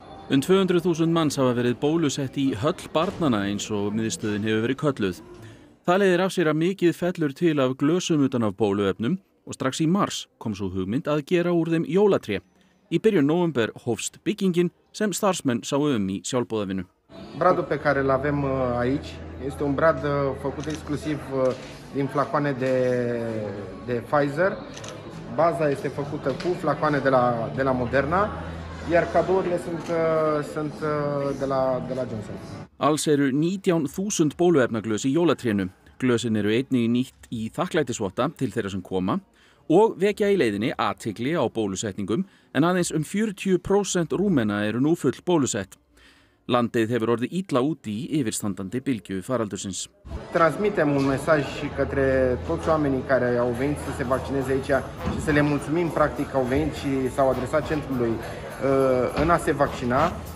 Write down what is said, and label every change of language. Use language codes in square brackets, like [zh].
[is] Um 200.000 manns hafa verið bólusett í höll barnana eins og miðstöðin hefur verið kölluð. Það leiðir af sér að mikið fellur til af glösum utan af bóluefnum og strax í mars kom svo hugmynd að gera úr þeim jólatré. Í byrjun nóvember hófst byggingin sem starfsmenn sáu í sjálfboðavinnu. [ro] bradul pe care îl avem aici este un brad făcut exclusiv din flacoane de Pfizer. Baza este făcută cu flacoane de la Moderna, iar cadourile sunt de la Johnson. [is] Alls eru 19.000 bóluefnaglös í jólatrénu. Glösin eru einnig nýtt í þakklætisvotta til þeirra sem koma og vekja í leiðinni athygli á bólusetningum en aðeins 40% rúmena eru nú full bólusett. Landið hefur orðið illa út í yfirstandandi bylgju faraldursins. [ro] Transmitem un mesaj către toți oamenii care au venit să se vaccineze aici și să le mulțumim practic au venit și s-au adresat centrului în a se vaccina.